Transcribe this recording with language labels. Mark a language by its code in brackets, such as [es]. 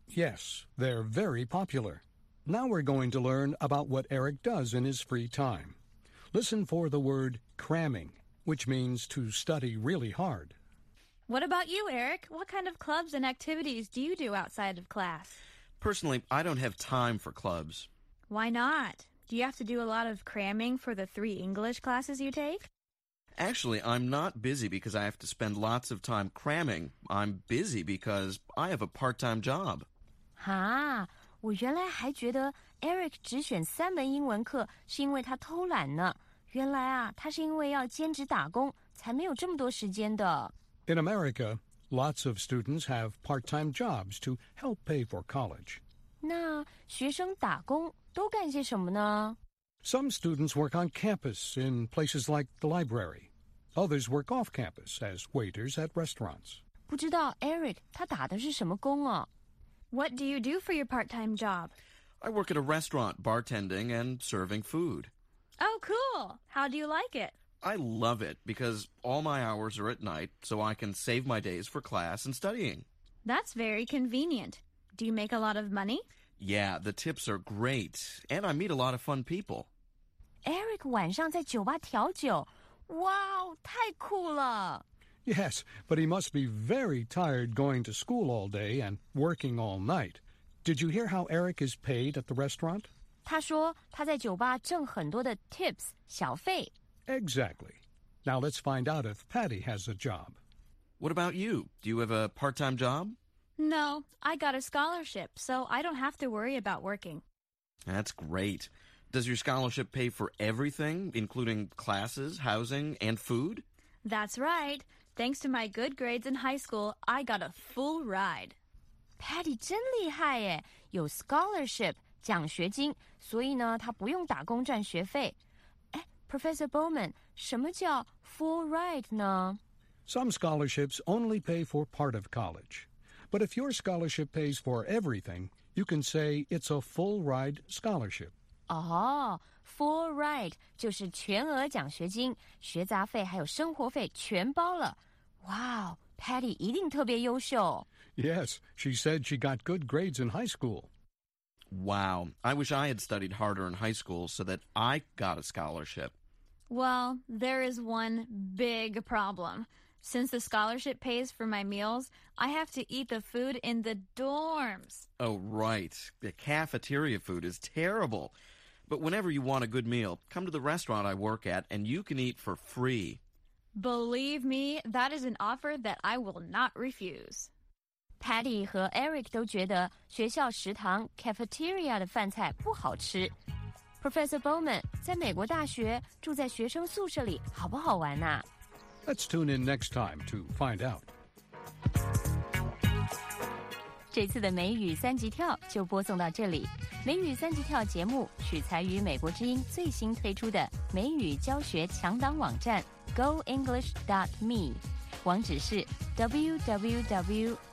[en] ？Yes, they're very popular. Now we're going to learn about what Eric does in his free time. Listen for the word cramming, which means to study really hard. What about you, Eric? What kind of clubs and activities do you do outside of class? Personally, I don't have time for clubs. Why not? Do you have to do a lot of cramming for the three English classes you take? Actually, I'm not busy because I have to spend lots of time cramming. I'm busy because I have a part-time job. Huh? [zh] 我原来还觉得 Eric 只选三门英文课是因为他偷懒呢。原来啊，他是因为要兼职打工，才没有这么多时间的。 [en] In America, lots of students have part-time jobs to help pay for college. [zh] 那学生打工都干些什么呢 [en] ？Some students work on campus in places like the library. Others work off campus as waiters at restaurants. [zh] 不知道 Eric 他打的是什么工啊？ [en] What do you do for your part-time job? I work at a restaurant, bartending and serving food. Oh, cool. How do you like it? I love it because all my hours are at night, so I can save my days for class and studying. That's very convenient. Do you make a lot of money? Yeah, the tips are great, and I meet a lot of fun people. [zh] Eric 晚上在酒吧调酒。 Wow, 太酷了。 [en] Yes, but he must be very tired going to school all day and working all night. Did you hear how Eric is paid at the restaurant? [zh] 他说他在酒吧挣很多的 tips, 小费。 [en] Exactly. Now let's find out if Patty has a job. What about you? Do you have a part-time job? No, I got a scholarship, so I don't have to worry about working. That's great. Does your scholarship pay for everything, including classes, housing, and food? That's right. Thanks to my good grades in high school, I got a full ride. [zh] Patty 真厉害耶，有 scholarship 奖学金，所以呢，他不用打工赚学费。哎 ，Professor Bowman， 什么叫 full ride 呢 [en] ？Some scholarships only pay for part of college, but if your scholarship pays for everything, you can say it's a full ride scholarship. [zh] Full ride 就是全额奖学金，学杂费还有生活费全包了。 Wow, Patty 一定特别优秀。 [en] Yes, she said she got good grades in high school. Wow, I wish I had studied harder in high school so that I got a scholarship. Well, there is one big problem. Since the scholarship pays for my meals, I have to eat the food in the dorms. Oh, right. The cafeteria food is terrible. But whenever you want a good meal, come to the restaurant I work at, and you can eat for free. Believe me, that is an offer that I will not refuse. [zh] Patty 和 Eric 都觉得学校食堂 cafeteria 的饭菜不好吃。 Professor Bowman, 在美国大学住在学生宿舍里好不好玩呢？ [en] Let's tune in next time to find out. [zh] 这次的美语三级跳就播送到这里。美语三级跳节目取材于美国之音最新推出的美语教学强档网站 goenglish.me， 网址是 www.